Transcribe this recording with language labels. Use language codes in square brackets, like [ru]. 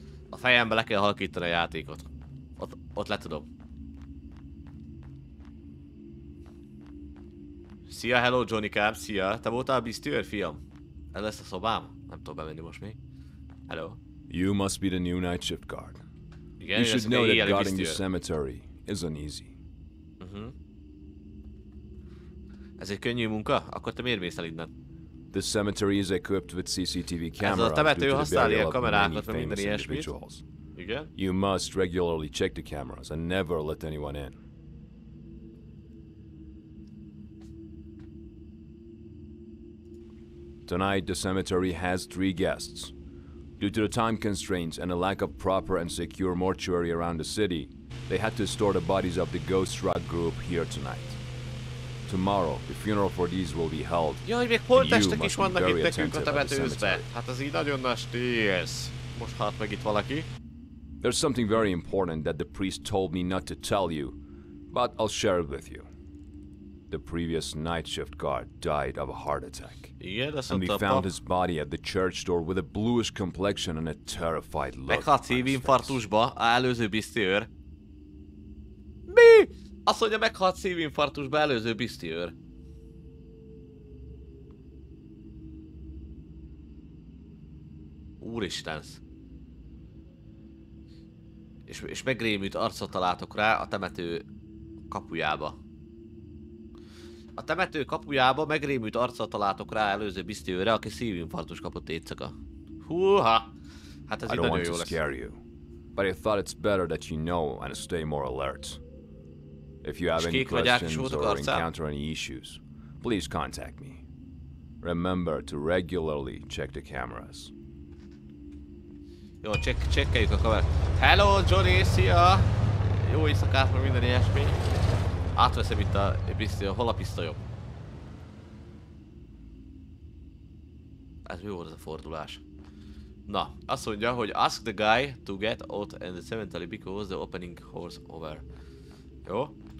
[hu] A fejembe le kell halkítani a játékot. Ott letudom. Szia, hello Johnny Cam, szia. Te voltál a biztőr, fiam? Ez lesz a szobám? Nem tudom bemenni most még. [en] Hello. You must be the new night shift guard. [hu] Igen, [en] you should know that guarding the cemetery isn't easy. [hu] Ez egy könnyű munka? Akkor te miért mész el innen? [en] The cemetery is equipped with CCTV cameras. [hu] Ez a temető használ ilyen kamerákat, vagy minden ilyesmit. Igen. [en] You must regularly check the cameras and never let anyone in. Tonight, the cemetery has 3 guests. Due to the time constraints and a lack of proper and secure mortuary around the city, they had to store the bodies of the Ghost Rock group here tonight. Tomorrow, the funeral for these will be held. [hu] Jaj, még holttestek is vannak itt nekünk a temetőzbe. Hát ez így nagyon nagy stílsz. Most hát meg itt valaki. [en] There's something very important that the priest told me not to tell you, but I'll share it with you. The previous night shift guard died of a heart attack. [hu] Igen, azt mondta. [en] And we found his body at the church door with a bluish complexion and a terrified look. [hu] Meghalt szívinfarktusba, a előző biztiőr. Mi? Azt mondja, meghalt szívinfarktusba, előző biztiőr. Úristen. És megrémült arcot találtok rá a temető kapujába. A temető kapujába megrémült arccal találtok rá előző biztiőre, aki szívinfarktus kapott éjszaka. Húha! Hát ez nagyon jó lesz. [en] You, but I thought it's better that you know and stay more alert. If you have any questions or encounter any issues, please contact me. Remember to regularly check the cameras. [hu] Jó, csekkeljük a kamerát. Hello, Johnny, szia! Jó éjszakát, mert minden ilyesmi. Átveszem itt a pisztolyom. Hol a pisztolyom? Ez jó volt ez a fordulás. Na, azt mondja, hogy [en] ask the guy to get out and the cemetery because the opening holds over. [hu] Jó?